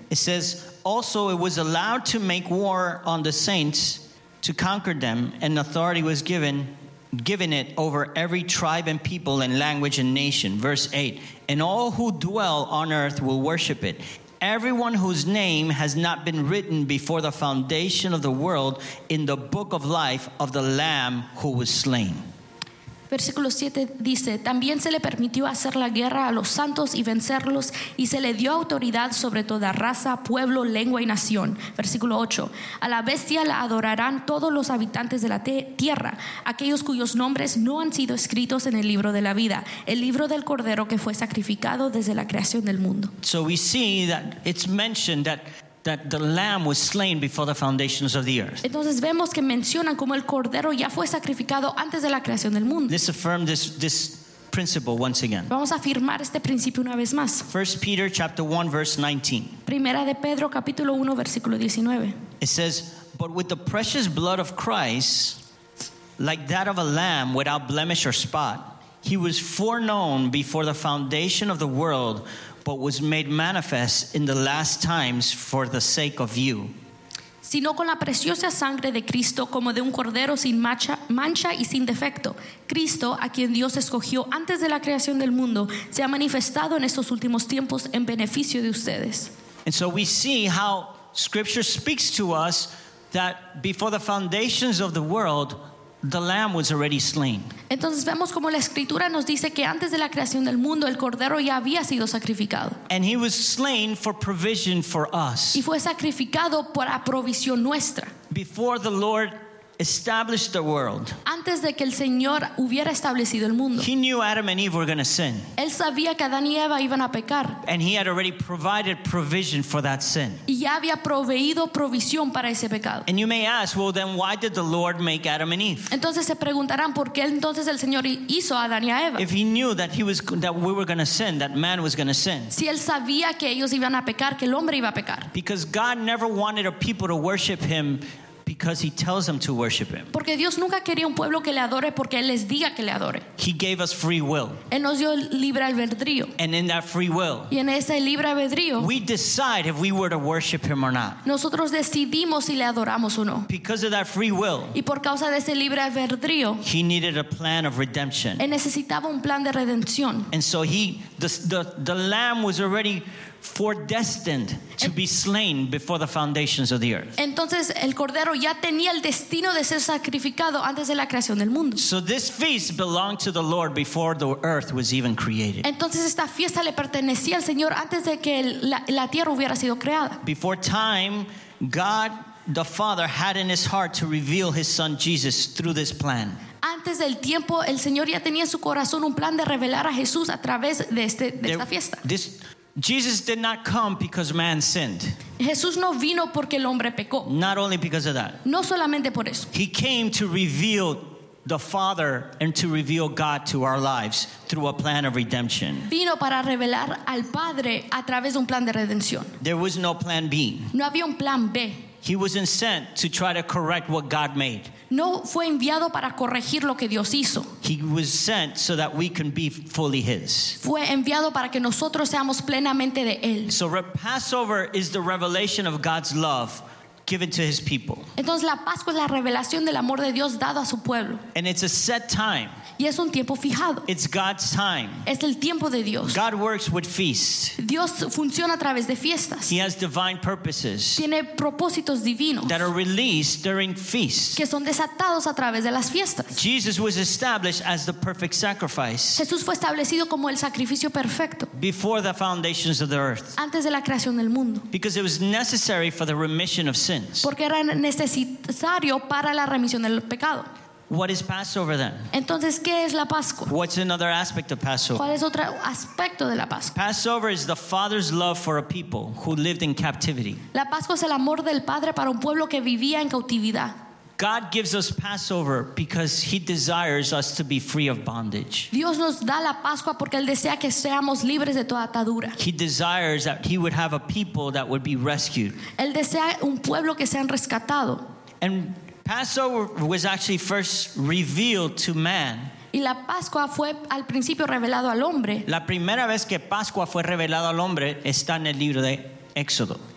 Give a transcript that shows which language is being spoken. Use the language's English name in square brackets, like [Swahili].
[English] It says, also it was allowed to make war on the saints to conquer them, and authority was given it over every tribe and people and language and nation. Verse 8. And all who dwell on earth will worship it. Everyone whose name has not been written before the foundation of the world in the book of life of the Lamb who was slain. [Spanish] Versículo 7 dice, también se le permitió hacer la guerra a los santos y vencerlos, y se le dio autoridad sobre toda raza, pueblo, lengua y nación. Versículo 8, a la bestia la adorarán todos los habitantes de la tierra, aquellos cuyos nombres no han sido escritos en el libro de la vida, el libro del Cordero que fue sacrificado desde la creación del mundo. [English] So we see that it's mentioned that the lamb was slain before the foundations of the earth. [Spanish] Entonces vemos que mencionan como el cordero ya fue sacrificado antes de la creación del mundo. [English] This affirms this principle once again. [Spanish] Vamos a afirmar este principio una vez más. [English] 1 Peter chapter 1 verse 19. [Spanish] Primera de Pedro capítulo 1 versículo 19. [English] It says, "But with the precious blood of Christ, like that of a lamb without blemish or spot, he was foreknown before the foundation of the world, but was made manifest in the last times for the sake of you." [Spanish] Sino con la preciosa sangre de Cristo como de un cordero sin mancha y sin defecto. Cristo, a quien Dios escogió antes de la creación del mundo, se ha manifestado en estos últimos tiempos en beneficio de ustedes. [English] And so we see how Scripture speaks to us that before the foundations of the world, the lamb was already slain. [Spanish] Entonces vemos como la escritura nos dice que antes de la creación del mundo el cordero ya había sido sacrificado. [English] And he was slain for provision for us. [Spanish] Y fue sacrificado para provisión nuestra. [English] Before the Lord established the world. [Spanish] Antes de que el Señor hubiera establecido el mundo. [English] He knew Adam and Eve were going to sin. [Spanish] Él sabía que Adán y Eva iban a pecar. [English] And he had already provided provision for that sin. [Spanish] Y ya había proveído provisión para ese pecado. [English] And you may ask, well, then why did the Lord make Adam and Eve? [Spanish] Entonces se preguntarán por qué entonces el Señor hizo a Adán y a Eva. [English] If he knew that we were going to sin, that man was going to sin. [Spanish] Si él sabía que ellos iban a pecar, que el hombre iba a pecar. [English] Because God never wanted a people to worship him. Because he tells them to worship him. [Spanish] Porque Dios nunca quería un pueblo que le adore porque él les diga que le adore. [English] He gave us free will. [Spanish] Él nos dio libre albedrío. [English] And in that free will, [Spanish] y en ese libre albedrío, [English] we decide if we were to worship him or not. [Spanish] Nosotros decidimos si le adoramos o no. [English] Because of that free will, [Spanish] y por causa de ese libre albedrío, [English] he needed a plan of redemption. [Spanish] Él necesitaba un plan de redención. [English] And so the lamb was already foredestined to be slain before the foundations of the earth. [Spanish] Entonces el cordero ya tenía el destino de ser sacrificado antes de la creación del mundo. [English] So this feast belonged to the Lord before the earth was even created. [Spanish] Entonces esta fiesta le pertenecía al Señor antes de que la tierra hubiera sido creada. [English] Before time, God the Father had in his heart to reveal his son Jesus through this plan. [Spanish] Antes del tiempo el Señor ya tenía en su corazón un plan de revelar a Jesús a través de esta fiesta. [English] Jesus did not come because man sinned. [Spanish] Jesús no vino porque el hombre pecó. [English] Not only because of that. [Spanish] No solamente por eso. [English] He came to reveal the Father and to reveal God to our lives through a plan of redemption. [Spanish] Vino para revelar al Padre a través de un plan de redención. [English] There was no plan B. [Spanish] No había un plan B. [English] He wasn't sent to try to correct what God made. [Spanish] No fue enviado para corregir lo que Dios hizo. [English] He was sent so that we can be fully His. [Spanish] Fue enviado para que nosotros seamos plenamente de Él. [English] So Passover is the revelation of God's love given to His people. [Spanish] Entonces la Pascua es la revelación del amor de Dios dado a su pueblo. [English] And it's a set time. [Spanish] Y es un tiempo fijado. [English] It's God's time. [Spanish] Es el tiempo de Dios. [English] God works with feasts. [Spanish] Dios funciona a través de fiestas. [English] He has divine purposes. [Spanish] Tiene propósitos divinos. [English] That are released during feasts. [Spanish] Que son desatados a través de las fiestas. [English] Jesus was established as the perfect sacrifice. [Spanish] Jesús fue establecido como el sacrificio perfecto. [English] Before the foundations of the earth. [Spanish] Antes de la creación del mundo. [English] Because it was necessary for the remission of sins. [Spanish] Porque era necesario para la remisión del pecado. [English] What is Passover then? [Spanish] Entonces, ¿qué es la Pascua? [English] What's another aspect of Passover? [Spanish] ¿Cuál es otro aspecto de la Pascua? [English] Passover is the Father's love for a people who lived in captivity. [Spanish] La Pascua es el amor del Padre para un pueblo que vivía en cautividad. [English] God gives us Passover because He desires us to be free of bondage. [Spanish] Dios nos da la Pascua porque Él desea que seamos libres de toda atadura. [English] He desires that He would have a people that would be rescued. [Spanish] Él desea un pueblo que sean rescatado. [English] And Passover was actually first revealed to man. [Spanish] Y la Pascua fue al principio revelado al hombre. La primera vez que Pascua fue revelado al hombre está en el libro de Éxodo.